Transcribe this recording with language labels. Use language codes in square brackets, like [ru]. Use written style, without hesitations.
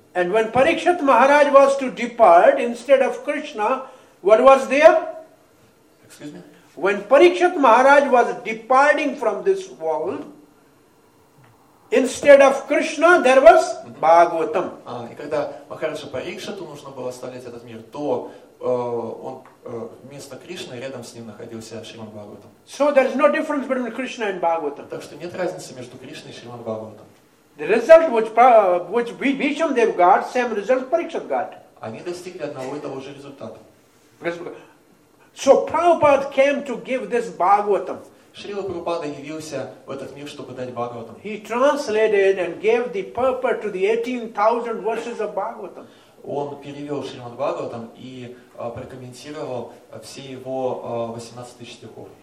[en] And when Parikshit Maharaj was to depart instead of Krishna, what was there? Excuse me? When Parikshit Maharaj was departing from this world, instead of Krishna, there was Bhagavatam. [ru] И когда Махараджа Парикшиту нужно было оставлять этот мир, то он вместо Кришны рядом с ним находился Шриман Бхагаватам. [en] So there is no difference between Krishna and Bhagavatam. [ru] Так что нет разницы между Кришной и Шриман Бхагаватам. [en] The result which Bhisham Dev got, same result Parikshit got. [ru] Они достигли одного и того же результата. [en] So Prabhupada came to give this Bhagavatam. [ru] Шрила Прабхупада явился в этот мир, чтобы дать Бхагаватам. [en] He translated and gave the purport to the 18,000 verses of Bhagavatam. [ru] Он перевел Шримад Бхагаватам и прокомментировал все его 18 тысяч стихов.